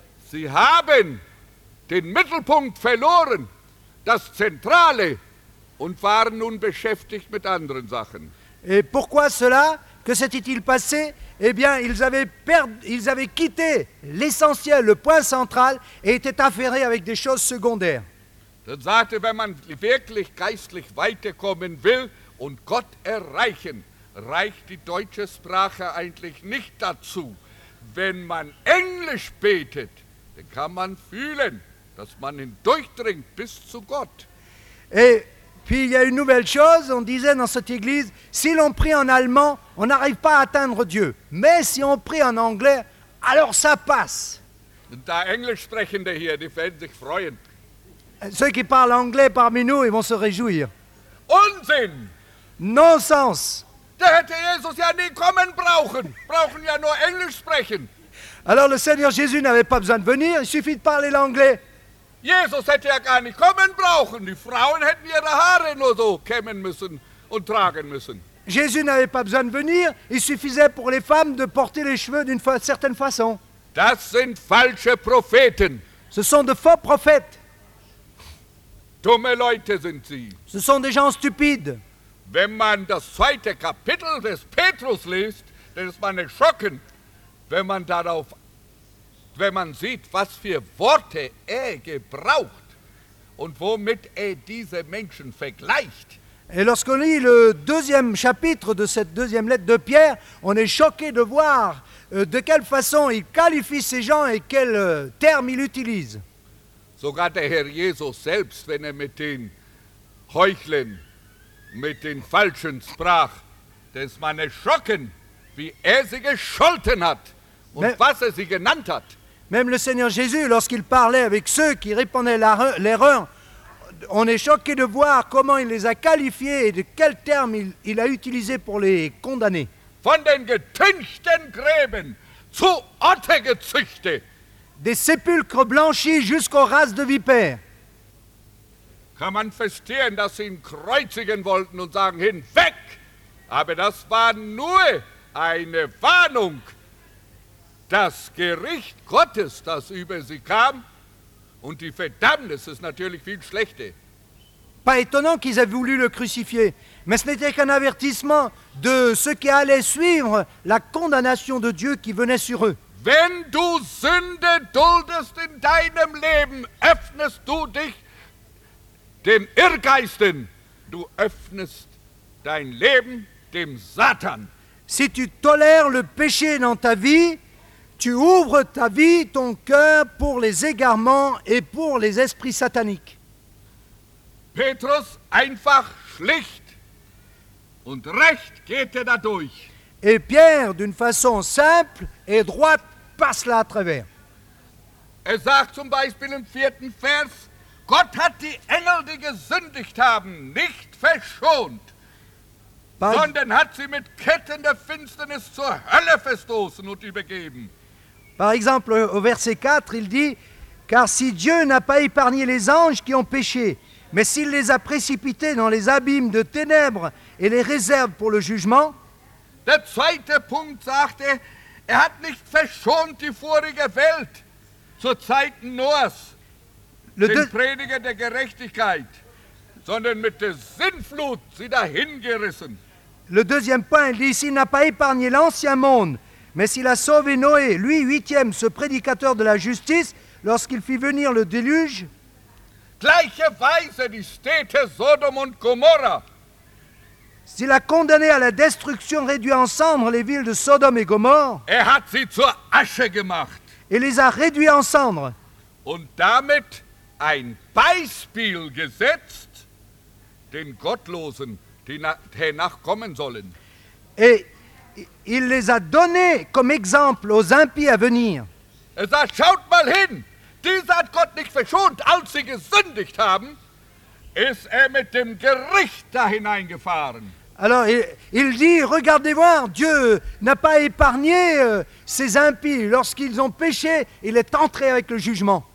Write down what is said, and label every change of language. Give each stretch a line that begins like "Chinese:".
German: Sie haben den Mittelpunkt verloren, das Zentrale, und waren nun beschäftigt mit anderen Sachen.
French: Et pourquoi cela? Que s'était-il passé? Eh bien, ils avaient quitté l'essentiel, le point central, et étaient affairés avec des choses secondaires.
German: Dann sagte, wenn man wirklich geistlich weiterkommen will und Gott erreichen, reicht die deutsche Sprache eigentlich nicht dazu. Wenn man Englisch betet, dann kann man fühlen, dass man ihn durchdringt bis zu Gott.
French: Et puis il y a une nouvelle chose, on disait dans cette église, si l'on prie en allemand, on n'arrive pas à atteindre Dieu. Mais si on prie en anglais, alors ça passe.
German: Und da Englisch sprechende hier, die werden sich freuen.
French: Ceux qui parlent anglais parmi nous, ils vont se réjouir.
German: Unsinn!
English: Nonsense!
German: Da hätte Jesus ja nie kommen brauchen. Brauchen ja nur Englisch sprechen.
French: Alors le Seigneur Jésus n'avait pas besoin de venir, il suffit de parler l'anglais.
German: Jesus hätte ja gar nicht kommen brauchen. Die Frauen hätten ihre Haare nur so kämmen müssen und tragen müssen.
French: Jésus n'avait pas besoin de venir, il suffisait pour les femmes de porter les cheveux d'une certaine façon.
German: Das sind falsche Propheten.
French: Ce sont de faux prophètes.
German: Dumme Leute sind sie.
French: Ce sont des gens stupides.
German: Wenn man das zweite Kapitel des Petrus liest, dann ist man erschrocken, wenn man sieht, was für Worte er gebraucht und womit er diese Menschen vergleicht.
French: Et lorsqu'on lit le deuxième chapitre de cette deuxième lettre de Pierre, on est choqué de voir de quelle façon il qualifie ces gens et quels termes il utilise.
German: Sogar der Herr Jesus selbst, wenn er mit den Heuchlern, mit den Falschen sprach, dann ist man erschrocken, wie er sie gescholten hat und was er sie genannt hat.
French: Même le Seigneur Jésus, lorsqu'il parlait avec ceux qui répandaient l'erreur, on est choqué de voir comment il les a qualifiés et de quels termes il a utilisé pour les condamner.
German: Von den getünchten Gräben zu Otter gezüchtet.
French: Des sépulcres blanchis jusqu'aux races de vipères.
German: Kann man verstehen, dass sie ihn kreuzigen wollten und sagen, hinweg! Aber das war nur eine Warnung. Das Gericht Gottes, das über sie kam, und die Verdammnis ist natürlich viel schlechter.
French: Pas étonnant qu'ils aient voulu le crucifier, mais ce n'était qu'un avertissement de ce qui allait suivre la condamnation de Dieu qui venait sur eux.
German: Wenn du Sünde duldest in deinem Leben, öffnest du dich den Irrgeisten. Du öffnest dein Leben dem Satan.
French: Si tu tolères le péché dans ta vie, tu ouvres ta vie, ton cœur pour les égarements et pour les esprits sataniques.
German: Petrus einfach schlicht und recht geht er dadurch.
French: Et Pierre, d'une façon simple et droite, passe là à travers.
German: Er sagt zum Beispiel im vierten Vers, Gott hat die Engel, die gesündigt haben, nicht verschont, sondern hat sie mit Ketten der Finsternis zur Hölle verstoßen und übergeben.
French: Par exemple, au verset 4, il dit, car si Dieu n'a pas épargné les anges qui ont péché, mais s'il les a précipités dans les abîmes de ténèbres et les réserve pour le jugement.
German: Der zweite Punkt sagt er, er hat nicht verschont die vorige Welt zur Zeit Noahs, den Prediger der Gerechtigkeit, sondern mit der Sintflut sie dahingerissen.
French: Le deuxième point, il dit, s'il n'a pas épargné l'ancien monde, mais s'il a sauvé Noé, lui, huitième, ce prédicateur de la justice, lorsqu'il fit venir le déluge.
German: Gleicherweise die Städte Sodom und Gomorra.
French: S'il a condamné à la destruction réduit en cendres les villes de Sodome et Gomorre.
German: Er hat sie zur Asche gemacht.
French: Et les a réduits en cendres.
German: Und damit ein Beispiel gesetzt den Gottlosen, die hernach kommen sollen.
French: Et il les a donné comme exemple aux impies à venir.
German: Er sagt, schaut mal hin, diese hat Gott nicht verschont, als sie gesündigt haben. Ist er mit dem Gericht da hineingefahren?
French: Alors, il dit, regardez voir, Dieu n'a pas épargné ces impies. Lorsqu'ils ont péché, il est entré avec le jugement.